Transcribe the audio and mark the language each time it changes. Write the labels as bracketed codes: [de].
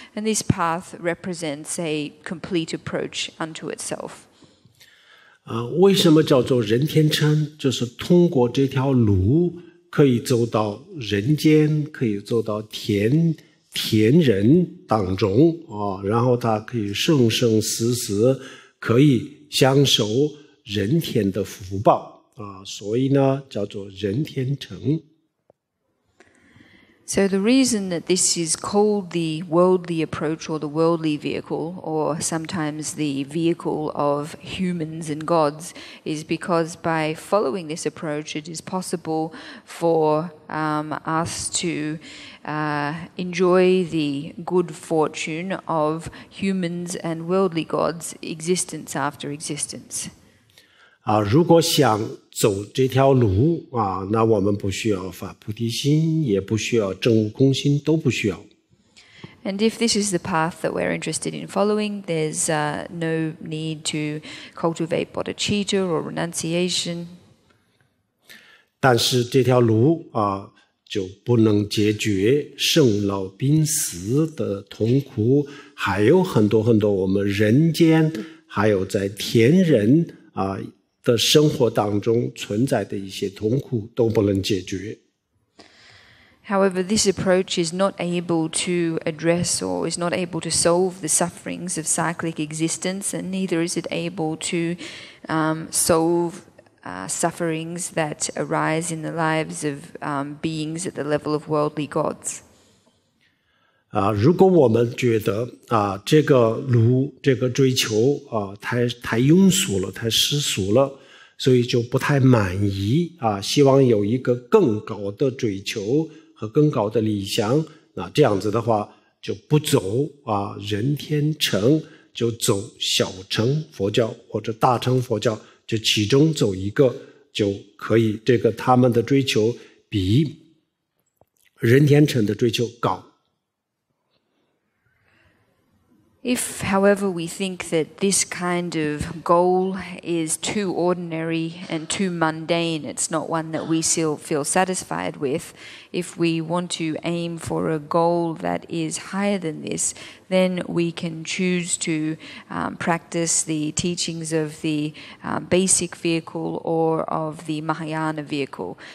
[en] And this path represents a complete approach unto itself. [zh] 为什么叫做人天乘？就是通过这条路可以走到人间，可以走到天人当中啊，然后他可以生生死死可以享受人天的福报啊，所以呢叫做人天乘。 [en] So the reason that this is called the worldly approach or the worldly vehicle or sometimes the vehicle of humans and gods is because by following this approach it is possible for us to enjoy the good fortune of humans and worldly gods existence after existence. [zh] 如果想走这条路啊，那我们不需要发菩提心，也不需要证悟空心，都不需要。 [en] And if this is the path that we're interested in following, there's no need to cultivate bodhicitta or renunciation. [zh] 但是这条路啊，就不能解决生老病死的痛苦，还有很多很多我们人间，还有在天人啊。的生活当中存在的一些痛苦都不能解决。 [en] However, this approach is not able to address or is not able to solve the sufferings of cyclic existence, and neither is it able to solve sufferings that arise in the lives of beings at the level of worldly gods. [zh] 如果我们觉得这个炉这个追求太庸俗了，太世俗了，所以就不太满意希望有一个更高的追求和更高的理想，那这样子的话就不走人天乘，就走小乘佛教或者大乘佛教，就其中走一个就可以，这个他们的追求比人天乘的追求高。 [en] If, however, we think that this kind of goal is too ordinary and too mundane, it's not one that we still feel satisfied with, if we want to aim for a goal that is higher than this, then we can choose to practice the teachings of the basic vehicle or of the Mahayana vehicle.